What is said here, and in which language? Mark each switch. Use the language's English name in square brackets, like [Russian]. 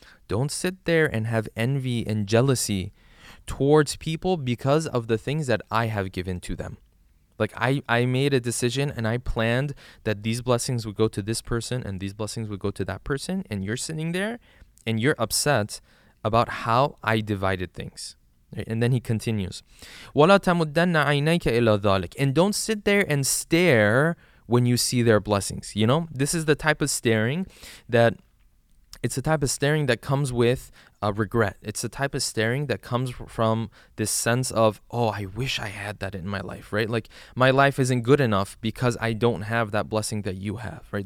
[English] Don't sit there and have envy and jealousy towards people because of the things that I have given to them. Like I made a decision and I planned that these blessings would go to this person and these blessings would go to that person, and you're sitting there and you're upset about how I divided things. And then he continues, [Arabic] وَلَا تَمُدَّنَّ عَيْنَيْكَ إِلَى ذَلِكَ. [English] And don't sit there and stare when you see their blessings. You know, this is the type of staring that, it's the type of staring that comes with regret. It's the type of staring that comes from this sense of, oh, I wish I had that in my life, right? Like my life isn't good enough because I don't have that blessing that you have, right?